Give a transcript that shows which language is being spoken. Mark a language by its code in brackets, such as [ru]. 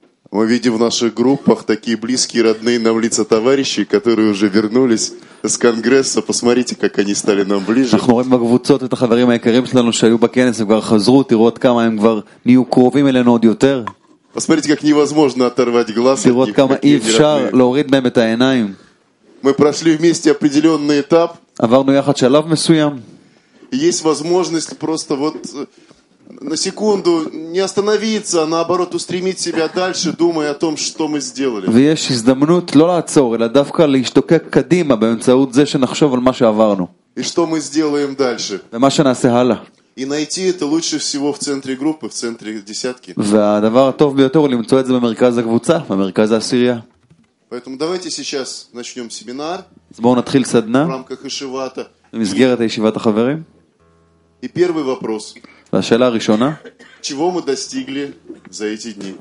[ru] в наших группах такие близкие, родные нам лица товарищи, которые уже вернулись с конгресса. Посмотрите, как они стали нам ближе. [he] אנחנו רואים בקבוצות את החברים היקרים שלנו שהיו בכנס וכבר חזרו, תראו עד כמה הם כבר נהיו קרובים אלינו עוד יותר. [ru] Посмотрите, как невозможно оторвать глаз от них. [he] Тראו עד כמה אי אפשר להוריד מהם את העיניים. [ru] Мы прошли вместе определенный этап. [he] עברנו יחד שלב מסוים. [ru] Есть возможность просто вот на секунду не остановиться, а наоборот устремить себя дальше, думая о том, что мы сделали. [he] ויש הזדמנות לא לעצור, אלא דווקא להשתוקק קדימה באמצעות זה שנחשוב על מה שעברנו. [ru] И что мы сделаем дальше? [he] ומה שנעשה הלאה. [ru] И найти это лучше всего в центре группы, в центре десятки. [he] והדבר הטוב ביותר למצוא את זה במרכז הקבוצה, במרכז העשירייה. [ru] Поэтому давайте сейчас начнем семинар. [he] אז בואו נתחיל סדנה. [ru] В рамках ישיבת. [he] במסגרת ישיבת החברים. [ru] И первый вопрос. [he] השאלה הראשונה, [ru] чего мы достигли за эти дни?